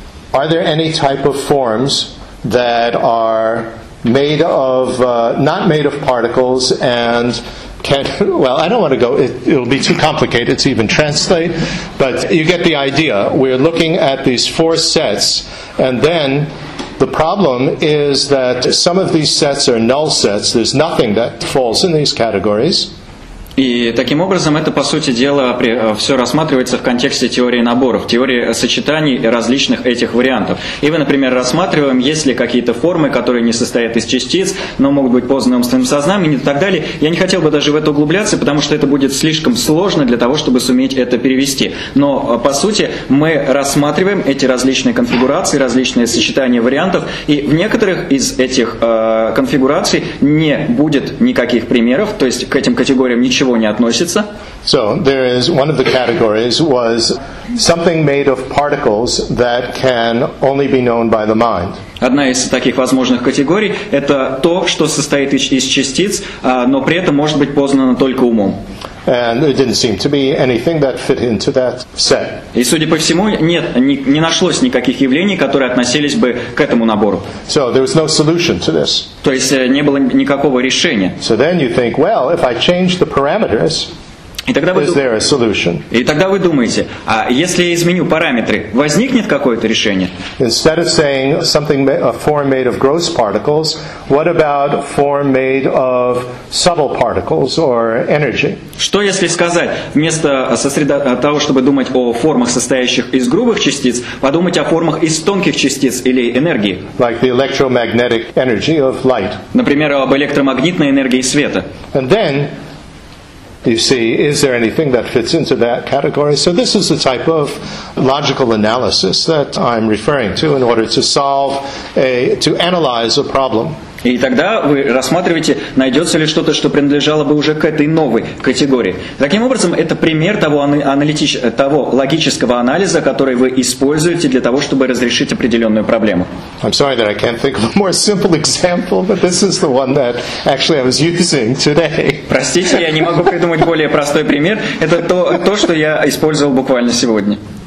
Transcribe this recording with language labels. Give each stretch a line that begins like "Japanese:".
English: Are there any type of forms that are made of, not made of particles and can't, well, I don't want to go, it'll be too complicated to even translate, but you get the idea. We're looking at these four sets, and then the problem is that some of these sets are null sets. There's nothing that falls in these categories.
Russian: И таким образом это, по сути дела, все рассматривается в контексте теории наборов, теории сочетаний различных этих вариантов. И мы, например, рассматриваем, есть ли какие-то формы, которые не состоят из частиц, но могут быть познаны умственным сознанием и так далее. Я не хотел бы даже в это углубляться, потому что это будет слишком сложно для того, чтобы суметь это перевести. Но, по сути, мы рассматриваем эти различные конфигурации, различные сочетания вариантов, и в некоторых из этих конфигураций не будет никаких примеров, то есть к этим категориям ничего не относится.
English: So there is one of the categories was something made of particles that can only be known by the mind.
Russian: Одна из таких возможных категорий это то, что состоит из частиц, но при этом может быть познано только умом.
English: And there didn't seem to be anything that fit into that set.
Russian: И судя по всему, нет, не нашлось никаких явлений, которые относились бы к этому набору.
English: So there was no solution to this.
Russian: То есть не было никакого решения.
English: So then you think, well, if I change the parameters, is there a solution?
Russian: И тогда вы думаете, а если я изменю параметры, возникнет какое-то решение?
English: Instead of saying something a form made of gross particles, what about form made of subtle particles or energy?
Russian: Что если сказать, вместо того, чтобы думать о формах, состоящих из грубых частиц, подумать о формах из тонких частиц или энергии?
English: Like the electromagnetic energy of light.
Russian: Например, об электромагнитной энергии света.
English: And then you see, is there anything that fits into that category? So this is the type of logical analysis that I'm referring to in order to solve to analyze a problem.
Russian: И тогда вы рассматриваете, найдется ли что-то, что принадлежало бы уже к этой новой категории. Таким образом, это пример того логического анализа, который вы используете для того, чтобы разрешить определенную проблему.
English: I'm sorry that I can't think of a more simple example, but this is the one that actually I was using today.
Russian: Простите, я не могу придумать более простой пример. Это то, что я использовал буквально сегодня.